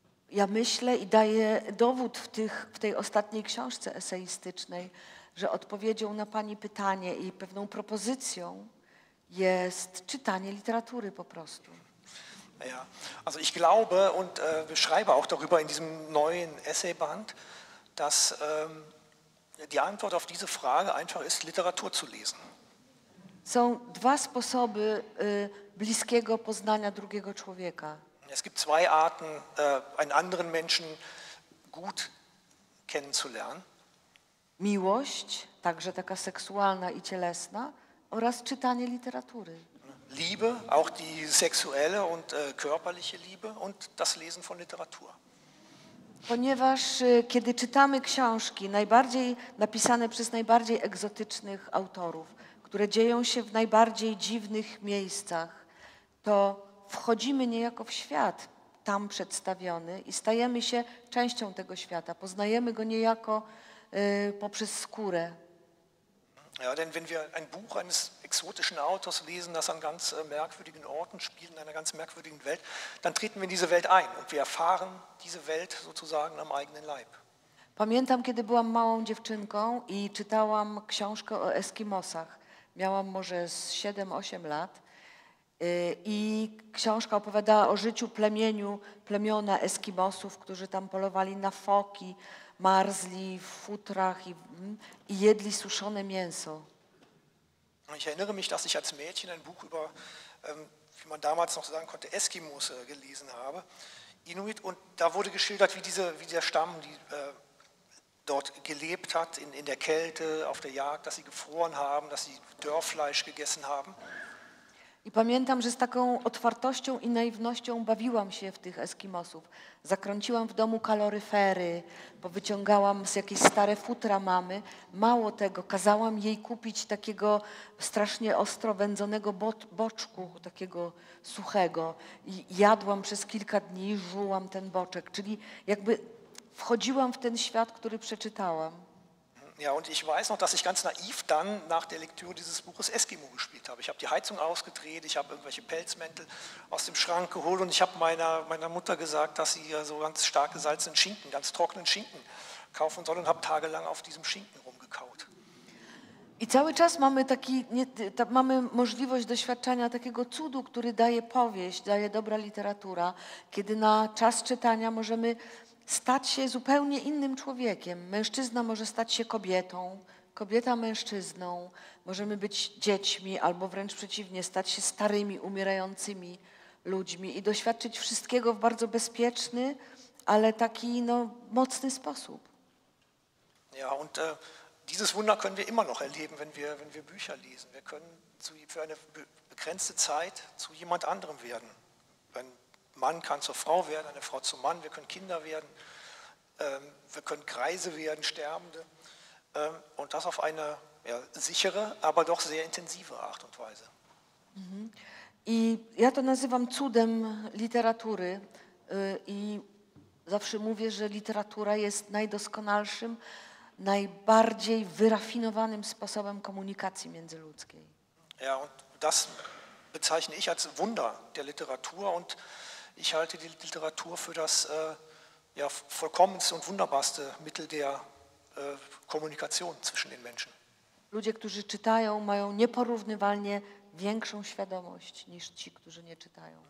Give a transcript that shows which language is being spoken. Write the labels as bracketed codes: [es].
[pl] Ja myślę i daję dowód w tej ostatniej książce eseistycznej, że odpowiedzią na Pani pytanie i pewną propozycją jest czytanie literatury po prostu. [de] Ja, also ich glaube und beschreibe auch darüber in diesem neuen Essayband, dass die Antwort auf diese Frage einfach ist, Literatur zu lesen. [pl] Są dwa sposoby bliskiego poznania drugiego człowieka. [de] Es gibt zwei Arten, einen anderen Menschen gut kennenzulernen. [pl] Miłość, także taka seksualna i cielesna, oraz czytanie literatury. [de] Liebe, auch die sexuelle und körperliche Liebe und das Lesen von Literatur. [pl] Ponieważ kiedy czytamy książki najbardziej napisane przez najbardziej egzotycznych autorów, które dzieją się w najbardziej dziwnych miejscach, to wchodzimy niejako w świat tam przedstawiony i stajemy się częścią tego świata. Poznajemy go niejako poprzez skórę. [de] Ja, denn wenn wir ein Buch eines exotischen Autors lesen, das an ganz merkwürdigen Orten spielt, in einer ganz merkwürdigen Welt, dann treten wir in diese Welt ein und wir erfahren diese Welt sozusagen am eigenen Leib. [pl] Pamiętam, kiedy byłam małą dziewczynką i czytałam książkę o Eskimosach. Miałam może 7-8 lat i książka opowiadała o życiu plemiona Eskimosów, którzy tam polowali na foki, marzli w futrach i jedli suszone mięso. [de] Ich erinnere mich, dass ich als Mädchen ein Buch über, wie man damals noch sagen konnte, Eskimos gelesen habe, Inuit, und da wurde geschildert, wie dieser Stamm, die dort gelebt hat, in der Kälte, auf der Jagd, dass sie gefroren haben, dass sie Dörrfleisch gegessen haben. [pl] I pamiętam, że z taką otwartością i naiwnością bawiłam się w tych Eskimosów. Zakręciłam w domu kaloryfery, bo wyciągałam z jakieś stare futra mamy. Mało tego, kazałam jej kupić takiego strasznie ostro wędzonego boczku, takiego suchego. I jadłam przez kilka dni, żułam ten boczek. Czyli jakby wchodziłam w ten świat, który przeczytałam. [de] Ja, und ich weiß noch, dass ich ganz naiv dann nach der Lektüre dieses Buches Eskimo gespielt habe. Ich habe die Heizung ausgedreht, ich habe irgendwelche Pelzmäntel aus dem Schrank geholt und ich habe meiner Mutter gesagt, dass sie so ganz stark gesalzenen Schinken, ganz trockenen Schinken kaufen soll und habe tagelang auf diesem Schinken rumgekaut. [pl] I cały czas mamy taki, mamy możliwość doświadczania takiego cudu, który daje powieść, daje dobra literatura, kiedy na czas czytania możemy stać się zupełnie innym człowiekiem. Mężczyzna może stać się kobietą, kobieta mężczyzną, możemy być dziećmi albo wręcz przeciwnie, stać się starymi, umierającymi ludźmi i doświadczyć wszystkiego w bardzo bezpieczny, ale taki no, mocny sposób. [de] Ja, und dieses Wunder können wir immer noch erleben, wenn wir Bücher lesen. Wir können für eine begrenzte Zeit zu jemand anderem werden. Ein Mann kann zur Frau werden, eine Frau zum Mann, wir können Kinder werden, wir können Greise werden, Sterbende. Und das auf eine ja, sichere, aber doch sehr intensive Art und Weise. [pl] I ja to nazywam cudem literatury i zawsze mówię, że literatura jest najdoskonalszym, najbardziej wyrafinowanym sposobem komunikacji międzyludzkiej. [de] Ja, und das bezeichne ich als Wunder der Literatur und ich halte die Literatur für das ja, vollkommenste und wunderbarste Mittel der Kommunikation zwischen den Menschen. [pl] Ludzie, którzy czytają, mają nieporównywalnie większą świadomość niż ci, którzy nie czytają.